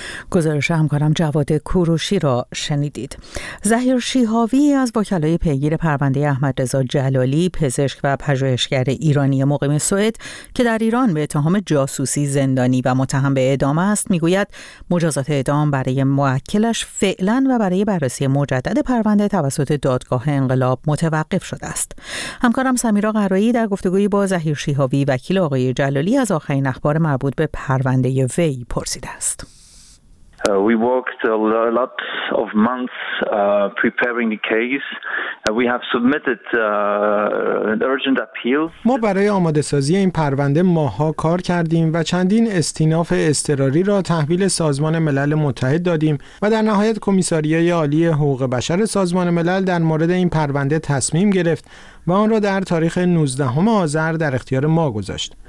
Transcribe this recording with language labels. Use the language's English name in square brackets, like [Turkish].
[Persian] گزارش همکارم جواد کوروشی را شنیدید. ظهیر شیهاوی از وکلای پیگیر پرونده احمدرضا جلالی، پزشک و پژوهشگر ایرانی مقیم سوئد که در ایران به اتهام جاسوسی زندانی و متهم به اعدام است، میگوید مجازات اعدام برای موکلش فعلا و برای بررسی مجدد پرونده توسط دادگاه انقلاب متوقف شده است. همکارم سمیرا قرایی در گفتگوی با ظهیر شیهاوی وکیل آقای جلالی از آخرین اخبار مربوط به پرونده وی پرسیده است. [English] We worked a lot of months preparing the case. We have submitted an urgent appeal. [Persian] ما برای آماده سازی این پرونده ماه‌ها کار کردیم و چندین استیناف اضطراری را تحویل سازمان ملل متحد دادیم و در نهایت کمیساریای عالی حقوق بشر سازمان ملل در مورد این پرونده تصمیم گرفت و آن را در تاریخ 19 آذر در اختیار ما گذاشت.